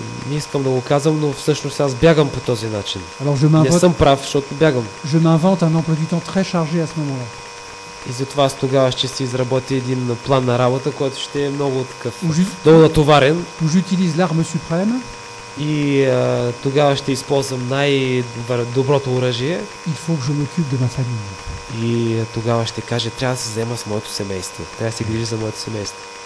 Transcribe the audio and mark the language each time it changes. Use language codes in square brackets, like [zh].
[bg] Не искам да го казвам, но всъщност аз бягам по този начин. [fr] Alors, je [bg] не съм прав, защото бягам. [fr] Je m'invente un emploi du temps très chargé à ce moment-là. [bg] И затова аз тогава ще си изработя един план на работа, който ще е много такъв, много натоварен. [fr] J'utilise l'arme suprême. [bg] И тогава ще използвам най-доброто оръжие. [fr] Il faut que je m'occupe de ma famille. [bg] И тогава ще кажа, трябва да се взема с моето семейство. Трябва да се грижи за моето семейство.